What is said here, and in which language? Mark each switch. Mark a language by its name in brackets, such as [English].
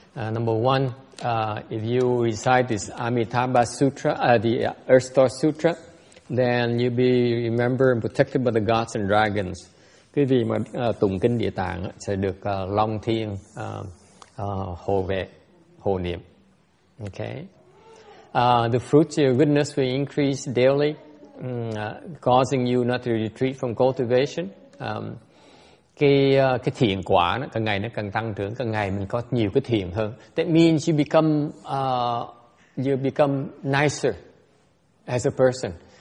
[English] Number one, if you recite this Amitabha Sutra, the Earth Store Sutra, then you be remembered and protected by the gods and dragons. [Vietnamese] Quý vị mà tụng kinh Địa Tạng sẽ được Long Thiên hộ vệ, hộ niệm. [English] Okay. The fruits of your goodness will increase daily, causing you not to retreat from cultivation. [Vietnamese] Cái thiện quả nó càng ngày nó càng tăng trưởng, càng ngày mình có nhiều cái thiện hơn. [English] That means you become nicer as a person.